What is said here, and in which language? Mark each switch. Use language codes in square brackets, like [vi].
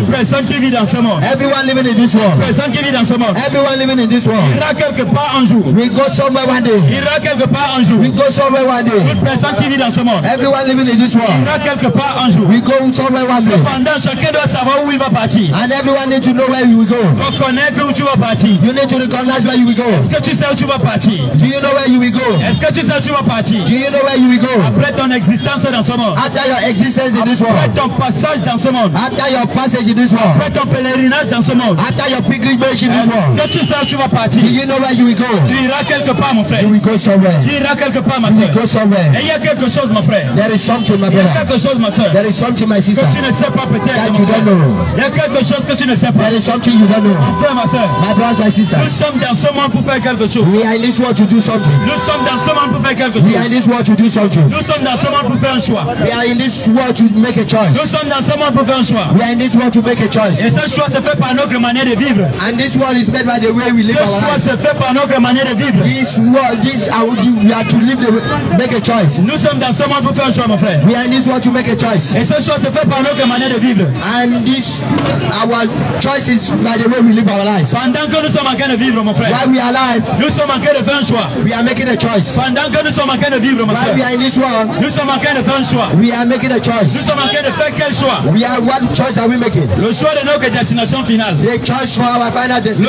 [fr] Personne qui vit dans ce monde. [en] Everyone living in this world. [fr] Personne qui vit dans ce monde. [en] Everyone living in this world. [fr] Ira quelque part un jour. [en] We go somewhere one day. [fr] Ira quelque part un jour. [en] We go somewhere one day. [fr] Toute personne qui vit dans ce monde. [en] Everyone living in this world. [fr] Ira quelque part un jour. [en] We go somewhere one day. [fr] Cependant, chacun doit savoir où il va partir. [en] And everyone needs to know where you will go. [fr] Reconnaître où tu vas partir. [en] You need to recognize where you will go. [fr] Est-ce que tu sais où tu vas partir? [en] Do you know where you will go? [fr] Est-ce que tu sais où tu vas partir? [en] Do you know where you will go? [fr] Après ton existence dans ce monde. [en] After your existence in this world. [fr] Après ton passage dans ce monde. [en] After your passage in this world. [fr] Après ton pèlerinage dans ce monde. [en] After your pilgrimage in this world. [fr] Est-ce que tu frère, tu vas partir. [en] Do you know where you will go? [fr] Tu iras quelque part, mon frère. [en] You will go somewhere. [fr] Tu iras quelque part, ma soeur. [en] You will go somewhere. [fr] Et il y a quelque chose, mon frère. [en] There is something, my brother. [fr] Il y a quelque chose, ma soeur. [en] There is something, my sister. [fr] Que tu ne sais pas peut-être. [en] That you don't know. [fr] Il y a quelque chose que tu ne sais pas. [en] There is something you don't know. [fr] Mon frère, ma soeur. [en] My brothers, my sisters. [fr] Nous sommes dans ce monde pour faire quelque chose. [en] We are in this world to do something. [fr] Nous sommes dans ce monde pour faire quelque chose. [en] We are in this world to do something. [fr] Nous sommes dans ce monde pour faire un choix. [en] We are in this world to make a choice. [fr] Nous sommes dans ce monde pour faire un choix. [en] We are in this world to make a choice. [fr] Et ce choix se fait par notre manière de vivre. [en] And this world is made by the way we live our lives. [fr] Ce choix se fait par notre manière de vivre. [en] This world, this our, we are to live the way, make a choice. [fr] Nous sommes dans ce monde pour faire un choix, mon frère. [en] We are in this world to make a choice. [fr] Et ce choix se fait par notre manière de vivre. [en] And this our choice is by the way we live our lives. [fr] Pendant que nous sommes en train de vivre, mon frère. [en] While we are alive. [fr] Nous sommes en train de faire un choix. [en] We are making a choice. [fr] Pendant que nous sommes en train de vivre, mon frère. [en] While we are in this world. [fr] Nous sommes en train de faire un choix. [en] We are making a choice. [fr] Nous sommes en train de faire quel choix? [en] We are what choice are we making? [fr] Le choix de notre destination finale. [en] The choice for our final destination.